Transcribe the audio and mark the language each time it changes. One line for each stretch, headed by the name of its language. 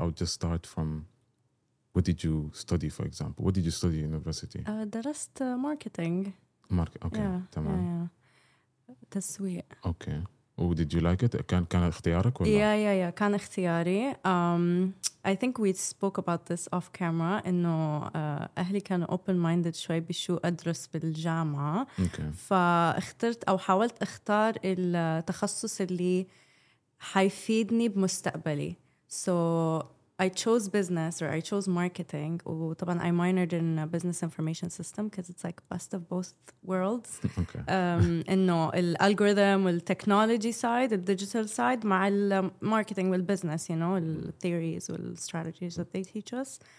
English: I'll just start from, what did you study, for example? What did you study in university? Marketing. Market. Okay. Yeah.
Arabic: تمام. Yeah. تسويق.
English: Okay. Oh, did you like it?
Arabic: كان اختيارك ولا؟ Yeah. كان اختياري.
English: I think we spoke about this off camera.
Arabic: إنه أهلي كانوا
English: open-minded
Arabic: شوي بشو أدرس بالجامعة.
English: Okay.
Arabic: فاخترت أو حاولت أختار التخصص اللي حيفيدني بمستقبلي.
English: So I chose business or I chose marketing. وطبعاً I minored in business information system because it's like best of both worlds. Okay.
Arabic: إنه الالغوريثم والتكنولوجي
English: side, the digital side مع marketing والbusiness, you know, theories والstrategies that they teach us.